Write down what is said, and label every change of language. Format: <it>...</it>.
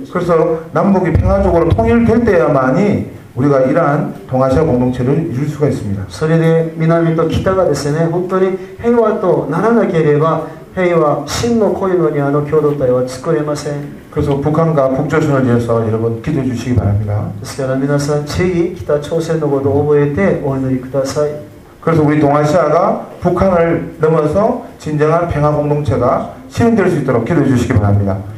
<ko>그래서 남북이 평화적으로 통일될 때야만이 우리가 이러한 동아시아 공동체를 이룰 수가 있습니다.</ko> <ja>それで南と北がですね、本当に平和とならなければ、平和、真のコイノニアの共同体は作れません。</ja> <ko>그래서 북한과 북조선을 위해서 여러분 기도해 주시기 바랍니다.</ko> <ja>ですから皆さん、ぜひ北朝鮮のことを覚えてお祈りください。</ja> <ko>그래서 우리 동아시아가 북한을 넘어서 진정한 평화 공동체가 실현될 수 있도록 기도해 주시기 바랍니다.</ko>